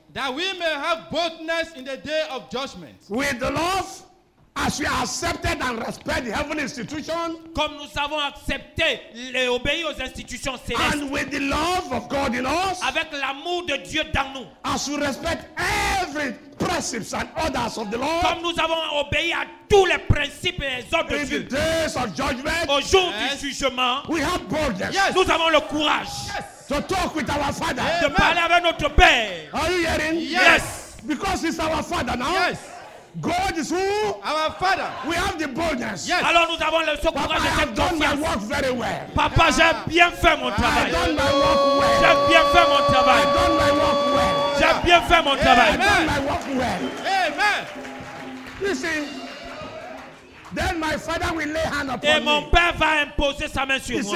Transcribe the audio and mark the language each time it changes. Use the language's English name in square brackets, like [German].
[English] That we may have boldness in the day of judgment. With the love. As we accepted and respect the heavenly institution, [French] comme nous avons accepté et obéi aux institutions célestes, [English] and with the love of God in us, [French] avec l'amour de Dieu dans nous, [English] as we respect every precepts and orders of the Lord, [French] comme nous avons obéi à tous les principes et les ordres de Dieu, [English] in the days of judgment, [French] au jour du jugement, [English] we have boldness. [French] Yes. Nous avons le courage. [English] Yes. To talk with our Father. [French] De parler avec notre Père. [English] Are you hearing? Yes. Because he's our Father now. Yes. God is who? Our Father. We have the boldness. Yes. Alors nous avons le courage. [French] Papa, de cette [English] I have done my work very well. [French] Papa, j'ai bien fait mon travail. [English] I've done my work well. [French] J'ai bien fait mon travail. [English] I've done my work well. [French] J'ai bien fait mon travail. [English] I've done my work well. Amen. You see, then my Father will lay hand upon me. [French] Et mon Père va imposer sa main sur moi.